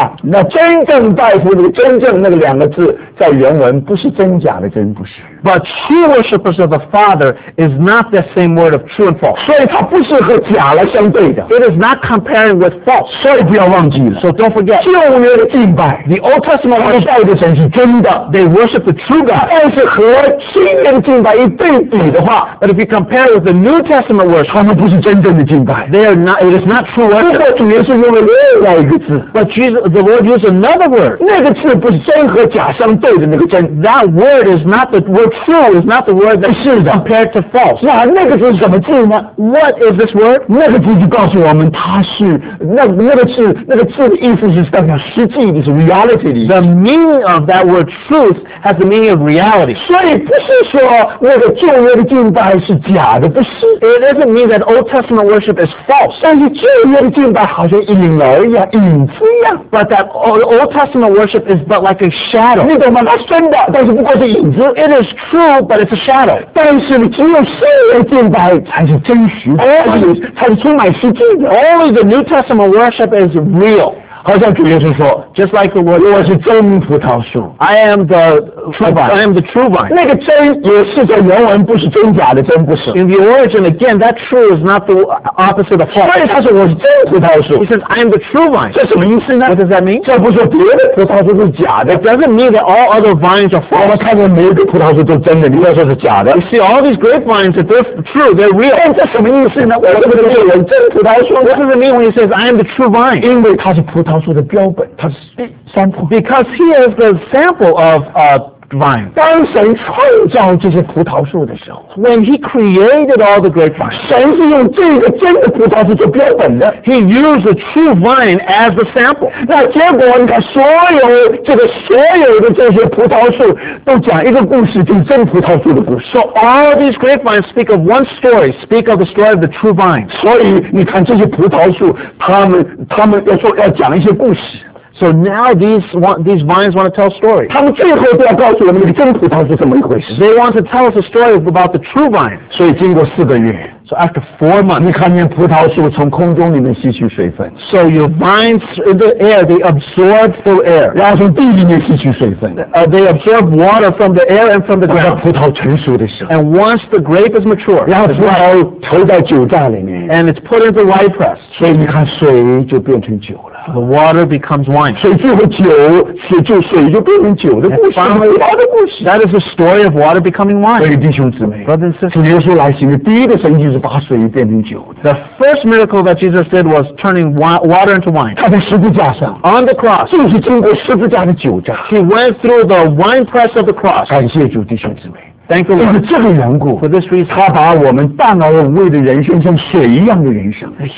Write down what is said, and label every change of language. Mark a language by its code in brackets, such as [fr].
[zh] 那真正拜佛的真正那个两个字在原文不是真假的真不是。 [en] But true worshippers of the Father is not the same word of true and false. [zh] 所以它不是和假来相对的。 [en] It is not comparing with false. [zh] 所以不要忘记了。 [en] So don't forget. [zh] 旧约的敬拜 [en] ，The Old Testament worship [zh] 拜的神是真的。 [en] They worship the true God. [zh] 但是和新约的敬拜一对比的话 [en] ，But if you compare with the New Testament worship， [zh] 他们不是真正的敬拜。 [en] They are not. It is not. [zh] 不过主耶稣用了另外一个字 [en] ，But Jesus, the Lord used another word. [zh] 那个字不是真和假相对的那个真。 [en] That word is not the word true. Is not the word that is compared to false. [zh] 那个字是什么字呢 [en] ？What is this word? [zh] 那个字就告诉我们，它是那个字的意思是代表实际的，是 reality 的意思。 [en] The meaning of that word truth has the meaning of reality. [zh] 所以不是说那个旧约的敬拜是假的，不是。 [en] It doesn't mean that Old Testament worship is false. [zh] 但是旧约的敬拜好像一影儿一样，影子一样。 [en] But that Old Testament worship is but like a shadow. [zh] 你懂吗？它真的，但是不过是影子。 [en] It is true, but it's a shadow. [zh] 但是你只有圣灵敬拜才是真实的，才是充满实际的。 [en] Only the New Testament worship is real. [zh] 好像主耶稣说 [en] ，Just like the word, [zh] 我是真葡萄树。 [en] I am the true vine. I am the true vine. [zh] 那个真也是在原文，不是真假的真，不是。 [en] In the origin, again, that true is not the opposite of false. [zh] 所以他说我是真葡萄树。 [en] He says I am the true vine. [zh] 这什么意思呢 [en] ？What does that mean? [zh] 这不是别的葡萄树是假的。 [en] It doesn't mean that all other vines are false. [zh] 我们看见每一个葡萄树都真的，你要说是假的。 [en] You see all these grapevines, they're true, they're real. [zh] 这什么意思呢？我这个是人真葡萄树。 [en] What does it mean when he says I am the true vine? [zh] 因为他是葡萄树的标本，他是 sample. [en] Because he is the sample of Vine. [zh] 当神创造这些葡萄树的时候 [en] ，When he created all the grapevines， [zh] 神是用这个真的葡萄树做标本的。 [en] He used the true vine as the sample。 [zh] 那结果你看，所有的这些葡萄树都讲一个故事，就是真葡萄树的故事。 [en] So all these grapevines speak of one story, speak of the story of the true vine。 [zh] 所以你看这些葡萄树，他们要讲一些故事。 [en] So now these vines want to tell stories. [zh] 他们最后都要告诉我们那个真葡萄是怎么一回事。 [en] They want to tell us a story about the true vine. [zh] 所以经过四个月。 [en] So after 4 months, [zh] 你看见葡萄树从空中里面吸取水分。 [en] So your vines in the air, they absorb full air. [zh] 然后从地里面吸取水分。 [en] They absorb water from the air and from the ground. [zh] 然后葡萄成熟的时候。 [en] And once the grape is mature, [zh] 然后葡萄投在酒榨里面。 [en] And it's put into the wine press. [zh] 所以你看水就变成酒了。 [en] The water becomes wine. [zh] 水最后水就变成酒的故事。葡萄的故事。 [en] That is the story of water becoming wine. [zh] 所以弟兄姊妹。 [en] Brothers and sisters. [zh] 主耶稣来行的第一个神迹是把水变成酒的。 [en] The first miracle that Jesus did was turning water into wine. [zh] 他在十字架上。 [en] On the cross. [zh] 就是经过十字架的酒榨。 [en] He went through the wine press of the cross. [zh] 感谢主弟兄姊妹。 [en] Thank you, Lord. [zh] 就是这个缘故 [en] ，For this reason, [zh] 他把我们淡而无味的人生像水一样的人生。